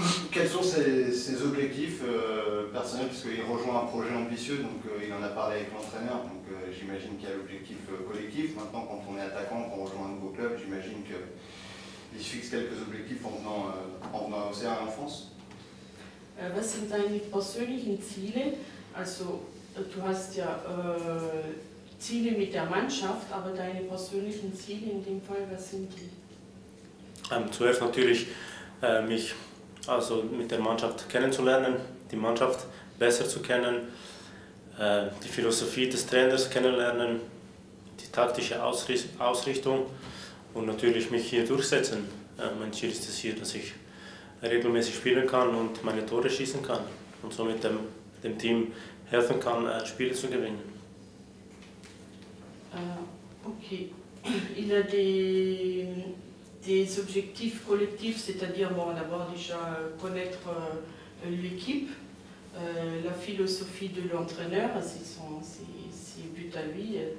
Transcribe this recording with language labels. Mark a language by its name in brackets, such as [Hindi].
[French] Quels sont ses objectifs personnels, parce qu'il rejoint un projet ambitieux, donc il en a parlé avec l'entraîneur, donc j'imagine qu'il y a l'objectif collectif. Maintenant, quand on est attaquant, qu'on rejoint un nouveau club, j'imagine que... Ich fixe quelques objectifs en venant aux Serres en France. [German] Was sind deine persönlichen Ziele? Also, du hast ja Ziele mit der Mannschaft, aber deine persönlichen Ziele in dem Fall, was sind die? Zuerst natürlich, mich also mit der Mannschaft kennenzulernen, die Mannschaft besser zu kennen, die Philosophie des Trainers kennenlernen, die taktische Ausrichtung. Und natürlich mich hier durchsetzen. Mein Ziel ist es hier, dass ich regelmäßig spielen kann und meine Tore schießen kann und somit dem Team helfen kann, Spiele zu gewinnen. Okay. [French] Il a des objectifs collectifs, c'est-à-dire bon, d'abord déjà connaître l'équipe, la philosophie de l'entraîneur, c'est but à lui.